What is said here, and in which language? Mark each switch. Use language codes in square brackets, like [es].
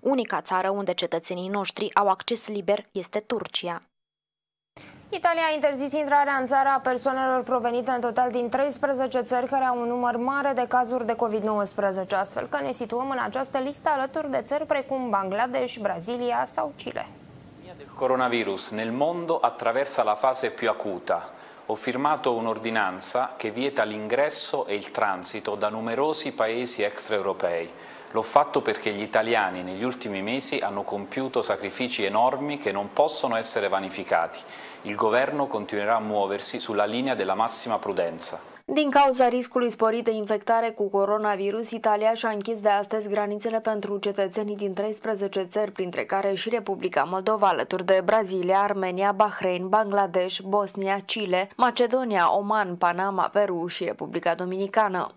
[ro] Unica țară unde cetățenii noștri au acces liber este Turcia. Italia a interzis intrarea în țară a persoanelor provenite în total din 13 țări care au un număr mare de cazuri de COVID-19, astfel că ne situăm în această listă alături de țări precum Bangladesh, Brazilia sau Chile. [it] Coronavirus nel mondo attraversa la fase più acuta. Ho firmato un'ordinanza che vieta l'ingresso e il transito da numerosi paesi extraeuropei. L'ho fatto perché gli italiani negli ultimi mesi hanno compiuto sacrifici enormi che non possono essere vanificati. Il governo continuerà a muoversi sulla linea della massima prudenza. [ro] Din cauza riscului sporit de infectare cu coronavirus, Italia și-a închis de astăzi granițele pentru cetățenii din 13 țări, printre care și Republica Moldova, alături de Brazilia, Armenia, Bahrain, Bangladesh, Bosnia, Chile, Macedonia, Oman, Panama, Peru și Republica Dominicană.